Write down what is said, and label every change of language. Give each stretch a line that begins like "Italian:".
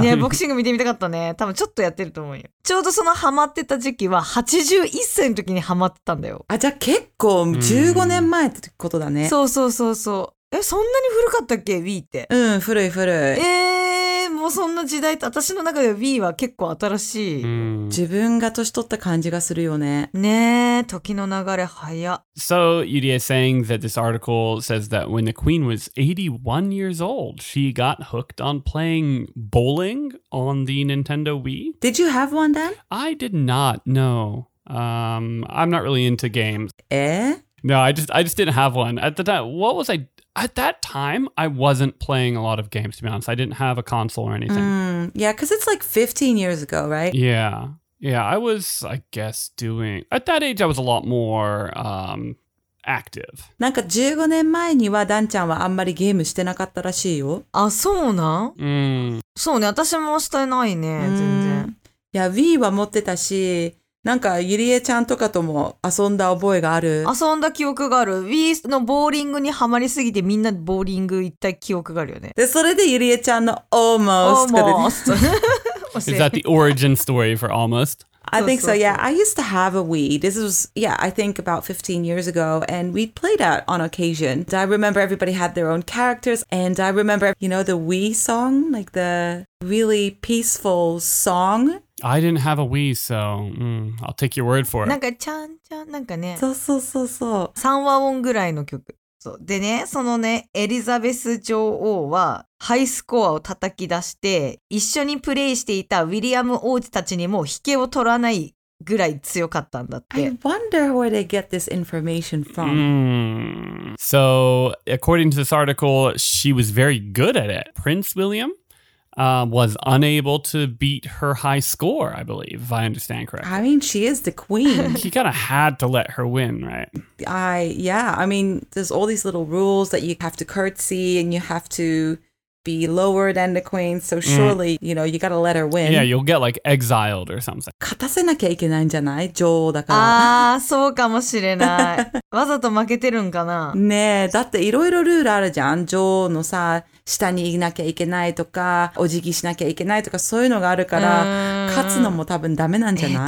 Japanese: ね、ボクシング見てみたかったね。多分ちょっとやってると思うよ。ちょうどそのハマってた時期は81歳の時にハマってたんだよ。あ、じゃあ結構15年前ってことだね。そうそうそうそう。え、そんなに古かったっけ Wii って。うん、古い古い。もうそんな時代って、私の中では Wii は結構新しい。自分が年取った感じがするよね。ねえ、時の流れ早。
English: So, Yuri is saying that this article says that when the queen was 81 years old, she got hooked on playing bowling on the Nintendo Wii. Did you have one then? I did not, no. I'm not really into games. Eh? No, I just didn't have one. At the time, what was I... At that time, I wasn't playing a lot of games, to be honest. I didn't have a console or anything. Yeah, because it's like 15 years ago, right? Yeah. Yeah, I was, I guess, doing... At that age, I was a lot more active.
Japanese: なんか15年前にはダンちゃんはあんまりゲームしてなかったらしいよ。あ、そうなん？そうね、私もしてないね、全然。いや、Wii は持ってたし、なんかゆりえちゃんとかとも遊んだ覚えがある。遊んだ記憶がある。 Wiis のボーリングにハマりすぎてみんなボーリング行った記憶があるよね。でそれでゆりえちゃんの Almost が出てきた。
English: Is that the origin story for Almost? I think so, yeah. I used to have a Wii. This was, yeah, I think about 15 years ago. And we played that on occasion. I remember everybody had their own characters. And I remember, you know, the Wii song? Like the really peaceful song? I didn't have a Wii, so I'll take your word for it.
Japanese: なんかちゃんちゃんなんかね。そうそうそうそう。三和音ぐらいの曲。そうでね、そのね、エリザベス女王はハイスコアを叩き出して、一緒にプレイしていたウィリアム王子たちにも引けを取らないぐらい強かったんだって。
English: I wonder where they get this information from. So, according to this article, she was very good at it. Prince William? Was unable to beat her high score, I believe, if I understand correctly. I mean, she is the queen. She kind of had to let her win, right? I mean, there's all these little rules that you have to curtsy and you have to be lower than the queen. So surely, you know, you gotta let her win. Yeah, you'll get like exiled or something.
Japanese: 勝たせなきゃいけないんじゃない? 女王だから。ああ、そうかもしれない。わざと負けてるんかな? ねえ、だっていろいろルールあるじゃん。女王のさ、下にいなきゃいけないとか、お辞儀しなきゃいけないとか、そういうのがあるから、勝つのも多分ダメなんじゃない?